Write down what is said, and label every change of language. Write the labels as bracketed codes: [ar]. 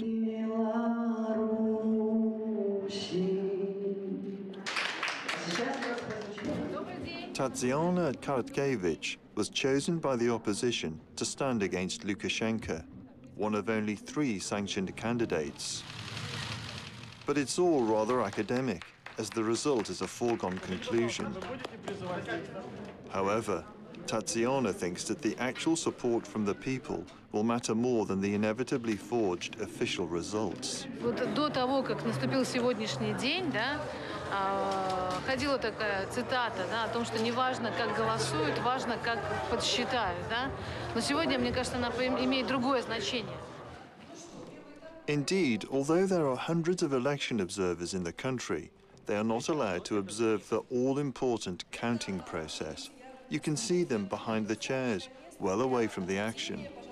[en] Tatiana Karatkevich was chosen by the opposition to stand against Lukashenko, one of only three sanctioned candidates. But it's all rather academic, as the result is a foregone conclusion. However, Tatiana thinks that the actual support from the people will matter more than the inevitably forged official results. [ru] До того, как наступил сегодняшний день, да, ходила такая цитата, да, о том, что не важно, как голосуют, важно, как подсчитают, да. Но сегодня, мне кажется, она имеет другое значение. [en] Indeed, although there are hundreds of election observers in the country, they are not allowed to observe the all-important counting process. You can see them behind the chairs, well away from the action.